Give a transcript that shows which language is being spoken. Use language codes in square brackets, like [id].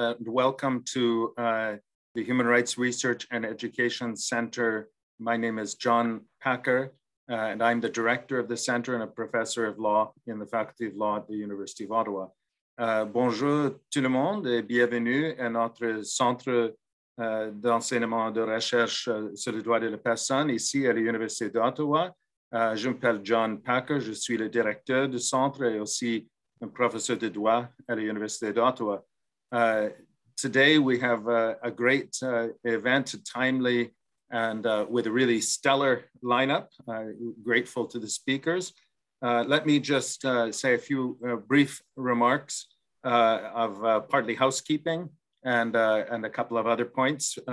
[en] Welcome to the Human Rights Research and Education Center. My name is John Packer, and I'm the director of the center and a professor of law in the Faculty of Law at the University of Ottawa. [fr] Bonjour tout le monde et bienvenue à notre centre d'enseignement de recherche sur les droits de la personne ici à l'Université d'Ottawa. Je m'appelle John Packer, je suis le directeur du centre et aussi un professeur de droit à l'Université d'Ottawa. [en] Today we have a great event, timely and with a really stellar lineup. Grateful to the speakers. Let me just say a few brief remarks of partly housekeeping and a couple of other points.